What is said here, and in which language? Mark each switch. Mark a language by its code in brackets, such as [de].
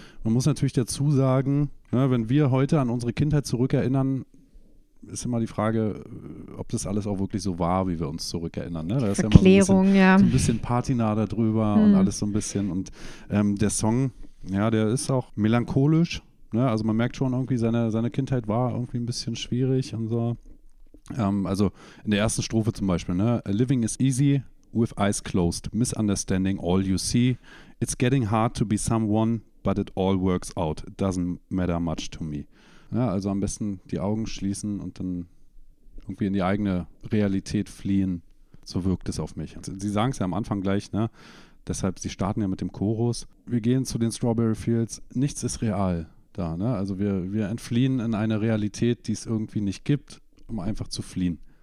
[de] Man muss natürlich dazu sagen, ne, wenn wir heute an unsere Kindheit zurückerinnern, ist immer die Frage, ob das alles auch wirklich so war, wie wir uns zurückerinnern. Ne? Da Verklärung, ist ja immer so ein bisschen, So ein bisschen Patina darüber und alles so ein bisschen und der Song, ja, der ist auch melancholisch, ne? Also man merkt schon irgendwie, seine Kindheit war irgendwie ein bisschen schwierig und so. Also in der ersten Strophe zum Beispiel, ne? [en] A living is easy with eyes closed, misunderstanding all you see. It's getting hard to be someone, but it all works out. It doesn't matter much to me. [de] Ja, also am besten die Augen schließen und dann irgendwie in die eigene Realität fliehen. So wirkt es auf mich. Also, sie sagen es ja am Anfang gleich, ne? Deshalb, sie starten ja mit dem Chorus. Wir gehen zu den Strawberry Fields. Nichts ist real da, ne? Also wir entfliehen in eine Realität, die es irgendwie nicht gibt, um einfach zu fliehen.